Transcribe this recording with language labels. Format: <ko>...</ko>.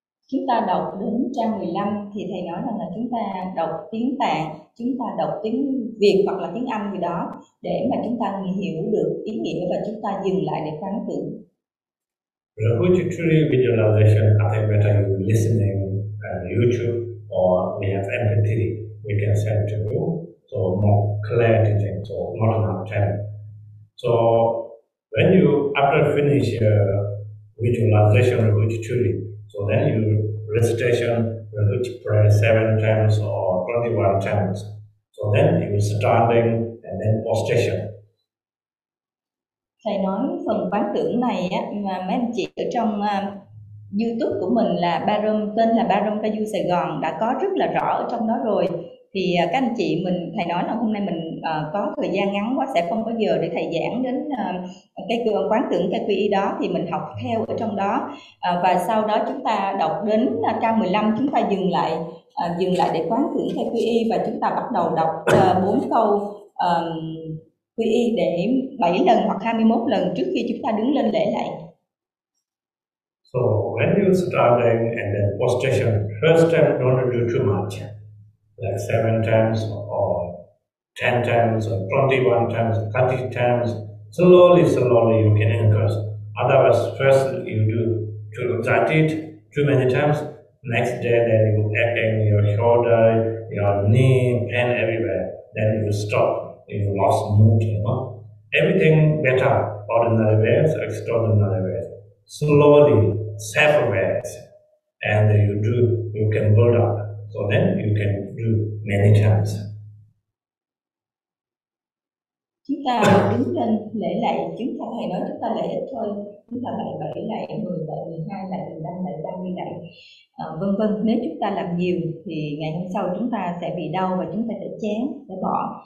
<vi>Chúng ta đọc đến trang 15 thì thầy nói rằng là chúng ta đọc tiếng Tạng, chúng ta đọc tiếng Việt hoặc là tiếng Anh gì đó để mà chúng ta hiểu được ý nghĩa và chúng ta dừng lại để quán tưởng.</vi> <en>Repetitory visualization, I think better you listening on YouTube or we have MP3 we can send to you, so more clarity things, so not enough time. So when you after finish visualization repetitory, so then you recitation which pray 7 times or 21 times. So then you standing and then prostration.</en> <vi>Thầy nói phần quán tưởng này á, mà mấy anh chị ở trong YouTube của mình là Barom, tên là Barom Kayu Sài Gòn đã có rất là rõ ở trong đó rồi. Thì các anh chị mình, thầy nói là hôm nay mình có thời gian ngắn quá, sẽ không có giờ để thầy giảng đến cái quán tưởng KQI đó, thì mình học theo ở trong đó. Và sau đó chúng ta đọc đến trang 15, chúng ta dừng lại để quán tưởng KQI và chúng ta bắt đầu đọc 4 câu KQI để 7 lần hoặc 21 lần trước khi chúng ta đứng lên lễ lại.</vi> <en>So when you start and then prostration, first time don't do too much. Like 7 times or 10 times or 21 times, 30 times. Slowly you can increase. Otherwise, first you do too excited too many times, Next day, then it will happen in your shoulder, your knee, pain everywhere. Then you stop, you lost mood, you know. Everything better, ordinary ways, extraordinary ways. Slowly, self-aware, and you do, you can build up. So then you can do many times.</en> <vi>Chúng ta đứng lên lễ lạy, chúng ta hay nói chúng ta lễ ít thôi, chúng ta lại bảy lạy, mười lạy, mười hai lạy, mười lăm lạy, ba mươi lạy, vân vân. Nếu chúng ta làm nhiều thì ngày hôm sau chúng ta sẽ bị đau và chúng ta sẽ chán, sẽ bỏ.</vi>